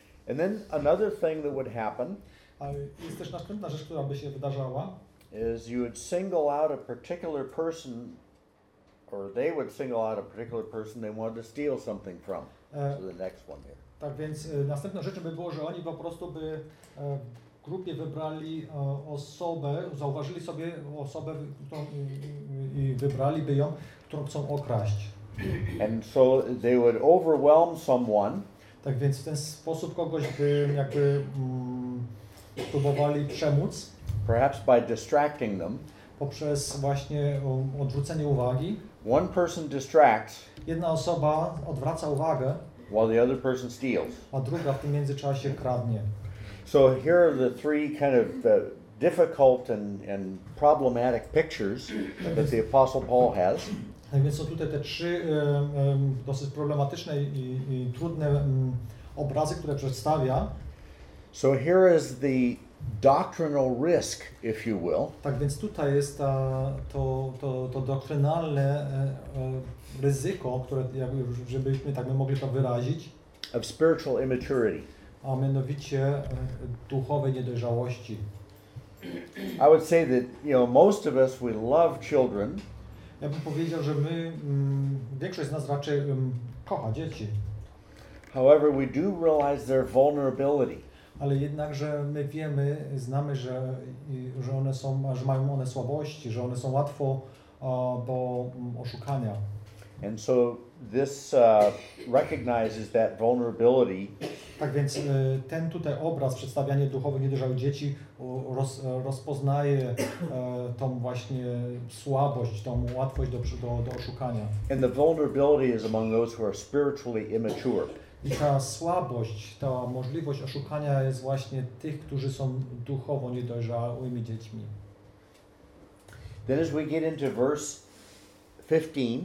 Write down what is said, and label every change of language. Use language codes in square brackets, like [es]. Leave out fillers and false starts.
[en] And then another thing that would happen. [pl] A jest też następna rzecz, która by się wydarzała. [en] Is you would single out a particular person, or they would single out a particular person they wanted to steal something from. So the next one here. [pl] Tak więc następną rzeczą by było, że oni po prostu by grupie wybrali osobę, zauważyli sobie osobę i wybraliby ją, którą chcą okraść. [en] And so they would overwhelm someone. [pl] Tak więc w ten sposób kogoś by jakby próbowali przemóc. [en] Perhaps by distracting them. [pl] Poprzez właśnie odwrócenie uwagi. [en] One person distracts. [pl] Jedna osoba odwraca uwagę. [en] While the other person steals. [pl] A druga w tym międzyczasie kradnie. [en] So here are the three kind of the difficult and problematic pictures that the Apostle Paul has. [pl] Tak więc są tutaj te trzy dosyć problematyczne i trudne obrazy, które przedstawia. [en] So here is the doctrinal risk, if you will. [pl] Tak więc tutaj jest to doktrynalne ryzyko, które żebyśmy tak mogli to wyrazić. [en] Of spiritual immaturity. [pl] A mianowicie duchowej niedojrzałości. [en] I would say that, you know, most of us, we love children. [pl] Ja bym powiedział, że my, większość z nas raczej kocha dzieci. [en] However, we do realize their vulnerability. [pl] Ale jednakże my wiemy, znamy, że one są, że mają one słabości, że one są łatwo do oszukania. [en] And so this recognizes that vulnerability. [pl] Tak więc ten tutaj obraz przedstawianie duchowych niedojrzałych dzieci rozpoznaje tą właśnie słabość, tą łatwość do oszukania. [en] And the vulnerability is among those who are spiritually immature. [pl] I ta słabość, ta możliwość oszukania jest właśnie tych, którzy są duchowo niedojrzałymi dziećmi. [en] Then as we get into verse 15,